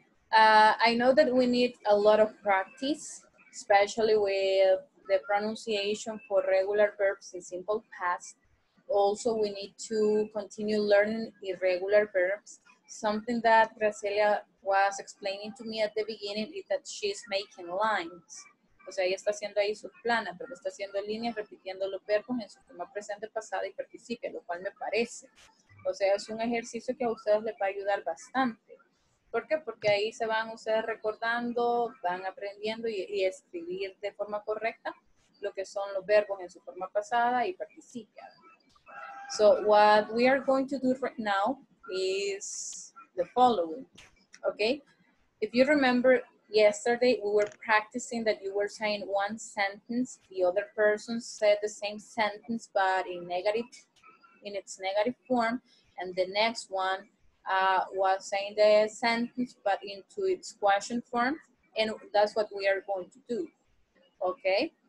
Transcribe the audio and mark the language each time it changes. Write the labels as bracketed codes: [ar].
[en] I know that we need a lot of practice, especially with the pronunciation for regular verbs in simple past. Also, we need to continue learning irregular verbs. Something that Gracelia was explaining to me at the beginning is that she's making lines. [es] O sea, ella está haciendo ahí sus planas, pero está haciendo líneas repitiendo los verbos en su forma presente, pasada y participio, lo cual me parece. O sea, es un ejercicio que a ustedes les va a ayudar bastante. ¿Por qué? Porque ahí se van ustedes recordando, van aprendiendo y escribir de forma correcta lo que son los verbos en su forma pasada y participio. [en] So what we are going to do right now is the following, okay? If you remember yesterday, we were practicing that you were saying one sentence, the other person said the same sentence, but in negative, in its negative form, and the next one was saying the sentence, but into its question form, and that's what we are going to do, okay?